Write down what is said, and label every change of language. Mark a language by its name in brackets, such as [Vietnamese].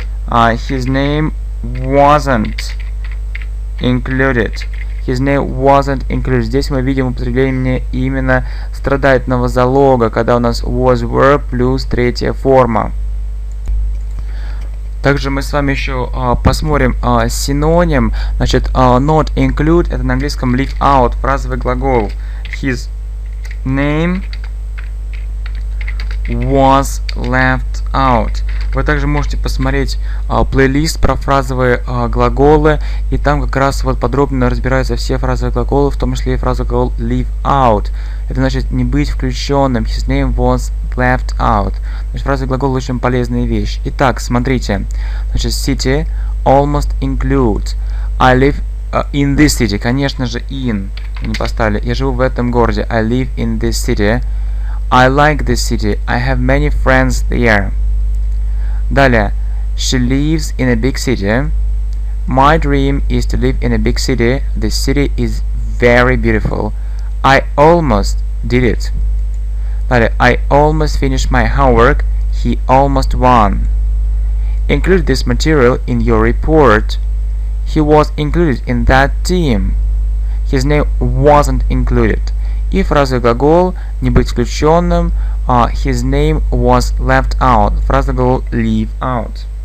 [English] His name wasn't included. His name wasn't included. [Russian] Здесь мы видим употребление именно страдательного залога, когда у нас was, were плюс третья форма. Также мы с вами еще посмотрим синоним. Значит, not include – это на английском leave out, фразовый глагол. [English] His name was left out. [Russian] Вы также можете посмотреть плейлист про фразовые глаголы, и там как раз вот подробно разбираются все фразовые глаголы, в том числе и фразовый глагол leave out. Это значит не быть включенным. [English] His name was left out. [Russian] Значит, фразовый глагол – очень полезная вещь. Итак, смотрите. Значит, [English] city almost include. I live in this city. [Russian] Конечно же, in. Не поставили. Я живу в этом городе. [English] I live in this city. I like this city. I have many friends there. [Russian] Далее. [English] She lives in a big city. My dream is to live in a big city. This city is very beautiful. I almost did it. [Russian] Далее. [English] I almost finished my homework. He almost won. Include this material in your report. He was included in that team. His name wasn't included. [Russian] И фразовый глагол «не быть включенным», [English] «his name was left out», [Russian] фразовый глагол «leave out».